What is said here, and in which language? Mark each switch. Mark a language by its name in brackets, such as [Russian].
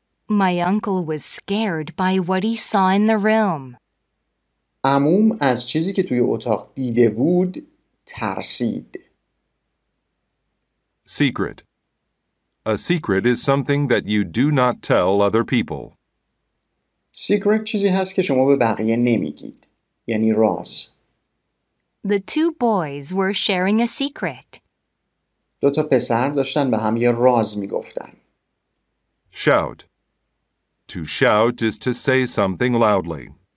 [English] My uncle was scared by what he saw in the room. [Persian] عموم از چیزی که توی اتاق دیده بود ترسید. [English] Secret. A secret is something that you do not tell other people. [Persian] Secret چیزی هست که شما به بقیه نمیگید. یعنی راز. [English] The two boys were sharing a secret. [Persian] دو تا پسر داشتن به هم یه راز میگفتن. [English] Shout. To shout is to say something loudly.